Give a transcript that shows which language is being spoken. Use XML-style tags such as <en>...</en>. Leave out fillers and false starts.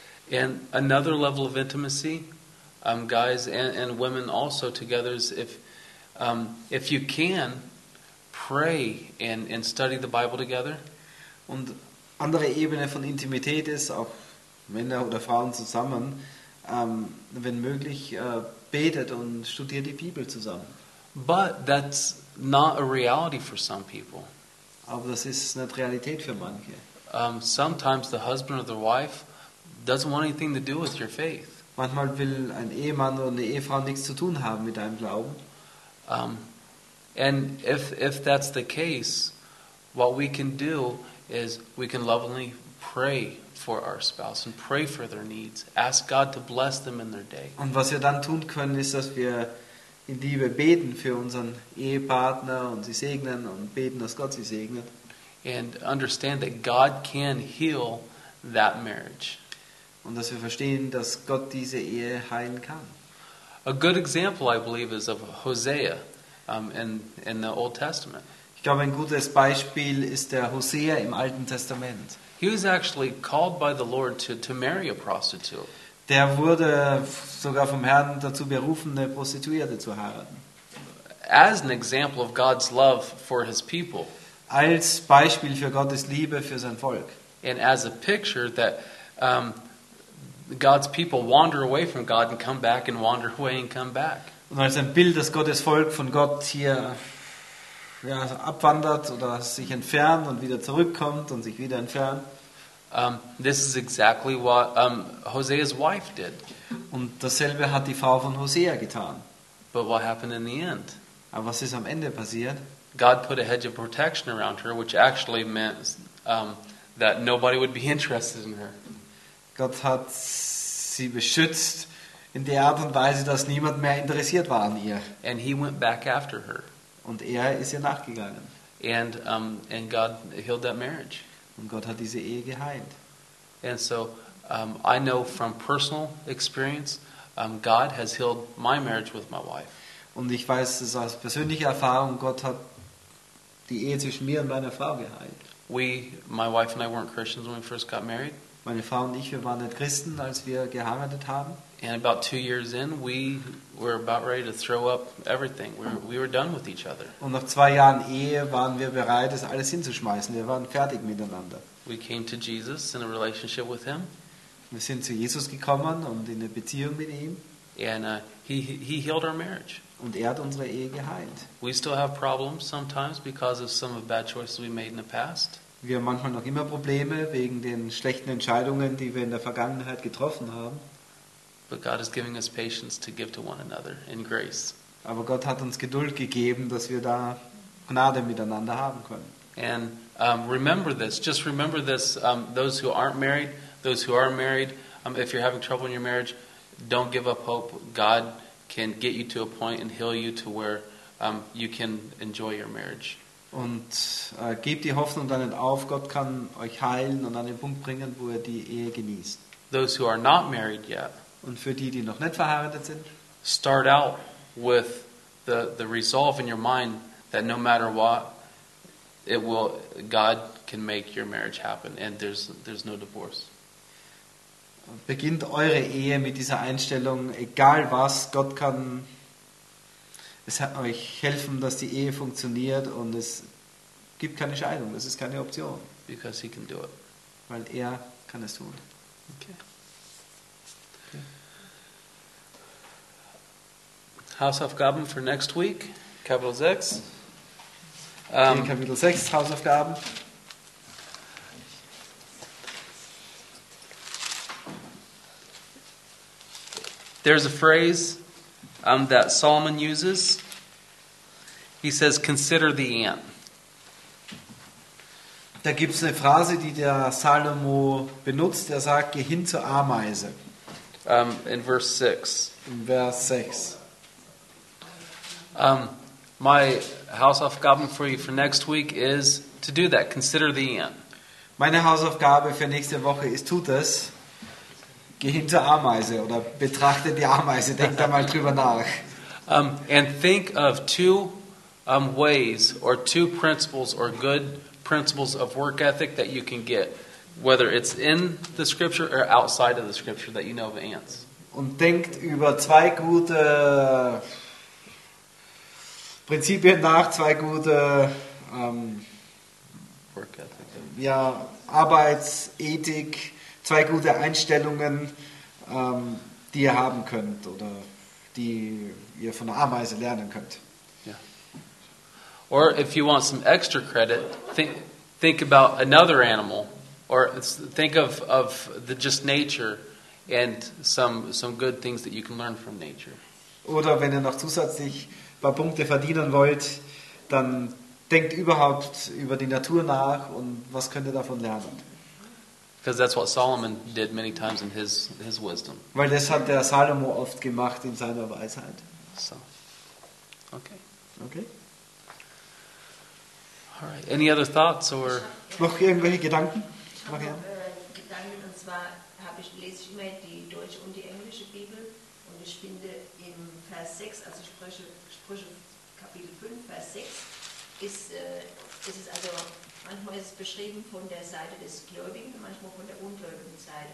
<en>And another level of intimacy, guys and women also together, is if you can, pray and study the Bible together.</en> <de>Und andere Ebene von Intimität ist, auch Männer oder Frauen zusammen, wenn möglich, betet und studiert die Bibel zusammen.</de> <en>But that's not a reality for some people.</en> <de>Aber das ist nicht Realität für manche.</de> <en>Sometimes the husband or the wife doesn't want anything to do with your faith.</en> <de>Manchmal will ein Ehemann oder eine Ehefrau nichts zu tun haben mit deinem Glauben.</de> <en>And if that's the case, what we can do is we can lovingly pray for our spouse and pray for their needs. Ask God to bless them in their day.</en> <de>Und was wir dann tun können, ist, dass wir in Liebe beten für unseren Ehepartner und sie segnen und beten, dass Gott sie segnet.</de> <en>And understand that God can heal that marriage.</en> <de>Und dass wir verstehen, dass Gott diese Ehe heilen kann.</de> <en>A good example, I believe, is of Hosea in the Old Testament.</en> <de>Ich glaube, ein gutes Beispiel ist der Hosea im Alten Testament.</de> <en>He was actually called by the Lord to marry a prostitute.</en> <de>Der wurde sogar vom Herrn dazu berufen, eine Prostituierte zu heiraten.</de> <en>As an example of God's love for his people.</en> <de>Als Beispiel für Gottes Liebe für sein Volk.</de> <en>And as a picture that God's people wander away from God and come back and wander away and come back.</en> <de>Und als ein Bild, dass Gottes Volk von Gott hier ja, abwandert oder sich entfernt und wieder zurückkommt und sich wieder entfernt.</de> <en>This is exactly what Hosea's wife did.</en> <de>Und dasselbe hat die Frau von Hosea getan.</de> <en>But what happened in the end?</en> <de>Aber was ist am Ende passiert?</de> <en>God put a hedge of protection around her, which actually meant that nobody would be interested in her.</en> <de>Gott hat sie beschützt in der Art und Weise, dass niemand mehr interessiert war an ihr.</de> <en>And he went back after her.</en> <de>Und er ist ihr nachgegangen.</de> <en>And God healed that marriage.</en> <de>Und Gott hat diese Ehe geheilt.</de> <en>And so I know from personal experience, God has healed my marriage with my wife.</en> <de>Und ich weiß es aus persönlicher Erfahrung, Gott hat die Ehe zwischen mir und meiner Frau geheilt.</de> <en>My wife and I weren't Christians when we first got married.</en> <de>Meine Frau und ich, wir waren nicht Christen, als wir geheiratet haben.</de> <en>And about 2 years in, we were about ready to throw up everything. We were done with each other.</en> <de>Und nach 2 Jahren Ehe waren wir bereit, das alles hinzuschmeißen. Wir waren fertig miteinander.</de> <en>We came to Jesus in a relationship with him.</en> <de>Wir sind zu Jesus gekommen und in eine Beziehung mit ihm.</de> <en>And He healed our marriage.</en> <de>Und hat unsere Ehe geheilt.</de> <en>We still have problems sometimes because of some of the bad choices we made in the past.</en> <de>Wir haben manchmal noch immer Probleme wegen den schlechten Entscheidungen, die wir in der Vergangenheit getroffen haben.</de> <en>But God is giving us patience to give to one another in grace.</en> <de>Aber Gott hat uns Geduld gegeben, dass wir da Gnade miteinander haben können.</de> <en>And remember this, just remember this, those who aren't married, those who are married, if you're having trouble in your marriage, don't give up hope. God can get you to a point and heal you to where you can enjoy your marriage.</en> <de>Und gebt die Hoffnung dann nicht auf, Gott kann euch heilen und an den Punkt bringen, wo ihr die Ehe genießt.</de> <en>Those who are not married yet.</en> <de>Und für die, die noch nicht verheiratet sind,</de> <en>start out with the resolve in your mind that no matter what, it will, God can make your marriage happen and there's no divorce.</en> <de>Beginnt eure Ehe mit dieser Einstellung, egal was, Gott kann es euch helfen, dass die Ehe funktioniert und es gibt keine Scheidung, das ist keine Option.</de> <en>Because he can do it.</en> <de>Weil er kann es tun.</de> <en>Okay.</en> <de>Hausaufgaben</de> <en>for next week,</en> <de>Kapitel 6. Kapitel 6, Hausaufgaben.</de> <en>There's a phrase that Solomon uses. He says, consider the ant.</en> <de>Da gibt's eine Phrase, die der Salomo benutzt. Er sagt, geh hin zur Ameise.</de> <en>In verse 6.</en> <de>In Vers 6.</de> <en>My</en> <de>Hausaufgaben</de> <en>for you for next week is to do that. Consider the ant.</en> <de>Meine Hausaufgabe für nächste Woche ist, tut es. Geh hin zur Ameise oder betrachte die Ameise. Denk da mal drüber nach.</de> <en>And think of two ways or two principles or good principles of work ethic that you can get, whether it's in the scripture or outside of the scripture that you know of ants.</en> <de>Und denkt über zwei gute Prinzipien nach, zwei gute</de> <en>work ethic.</en> <de>Ja, Arbeitsethik, zwei gute Einstellungen, die ihr haben könnt oder die ihr von der Ameise lernen könnt.</de> <en>Yeah. Or if you want some extra credit, think about another animal or think of the just nature and some good things that you can learn from nature.</en> <de>Oder wenn ihr noch zusätzlich ein paar Punkte verdienen wollt, dann denkt überhaupt über die Natur nach und was könnt ihr davon lernen?</de> <en>Because that's what Solomon did many times in his wisdom.</en> <de>Weil das hat der Salomo oft gemacht in seiner Weisheit.</de> <en>So. Okay. Okay. All right. Any other thoughts or</en> <de>noch irgendwelche Gedanken? Ich habe Gedanken und zwar lese ich immer die deutsche und die englische Bibel und ich finde im Vers 6, also Sprüche Kapitel 5, Vers 6, ist es also manchmal ist es beschrieben von der Seite des Gläubigen, manchmal von der ungläubigen Seite.</de>